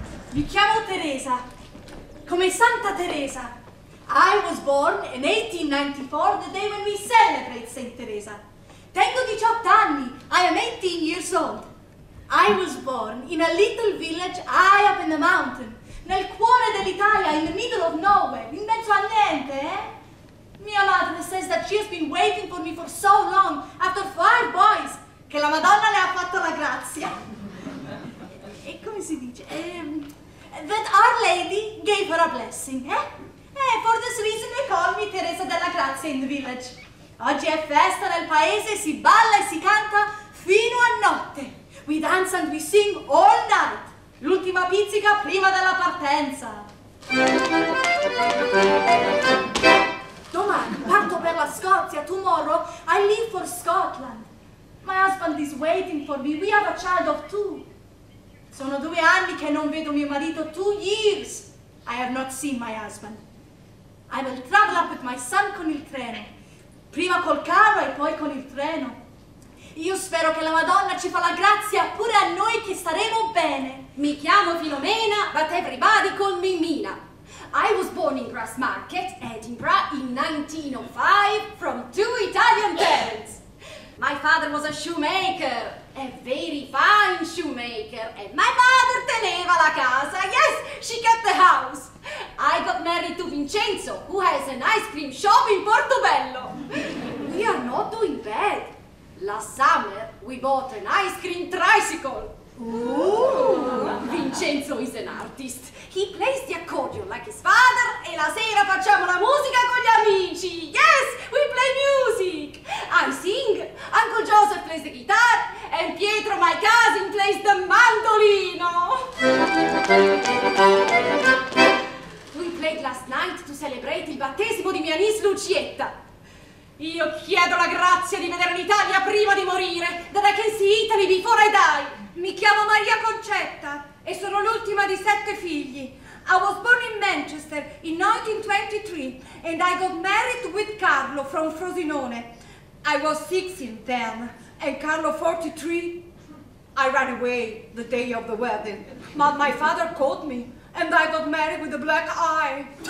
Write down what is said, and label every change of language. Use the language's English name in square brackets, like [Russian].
[Italian] Mi chiamo Teresa, come Santa Teresa. [English] I was born in 1894, the day when we celebrate Saint Teresa. [Italian] Tengo 18 anni, [English] I am 18 years old. I was born in a little village high up in the mountain, [Italian] nel cuore dell'Italia, [English] in the middle of nowhere, [Italian] in mezzo a niente, [English] eh? [Italian] Mia madre [English] says that she has been waiting for me for so long, after 5 boys, [Italian] che la Madonna le ha fatto la grazia. E come si dice? [English] That Our Lady gave her a blessing, eh? And for this reason they call me Teresa della Grazia in the village. [Italian] Oggi è festa nel paese, si balla e si canta fino a notte. [English] We dance and we sing all night. [Italian] L'ultima pizzica prima della partenza. Domani parto per la Scozia. [English] Tomorrow I leave for Scotland. My husband is waiting for me. We have a child of 2. [Italian] Sono 2 anni che non vedo mio marito. [English] 2 years I have not seen my husband. I will travel up with my son [Italian] con il treno. Prima col carro e poi con il treno. Io spero che la Madonna ci fa la grazia pure a noi che staremo bene. Mi chiamo Filomena, [English] but everybody call me Mina. I was born in Grassmarket, Edinburgh, in 1905 from 2 Italian parents. My father was a shoemaker, a very fine shoemaker, and my mother [Italian] teneva la casa. [English] Yes, she kept the house. I got married to Vincenzo, who has an ice cream shop in Portobello. We are not doing bad. Last summer, we bought an ice cream tricycle. Ooh. Vincenzo is an artist. He plays the accordion like his father, [Italian] e la sera facciamo la musica con gli amici. [English] Yes, we play music. I sing, Uncle Joseph plays the guitar, and Pietro, my cousin, plays the mandolino. We played last night to celebrate [Italian] il battesimo di mia [English] niece Lucietta. [Italian] Io chiedo la grazia di vedere l'Italia prima di morire, [English] that I can see Italy before I die. [Italian] Mi chiamo Maria Concetta e sono l'ultima di 7 figli. [English] I was born in Manchester in 1923 and I got married with Carlo from Frosinone. I was 16 then and Carlo 43. I ran away the day of the wedding, but my father caught me and I got married with a black eye.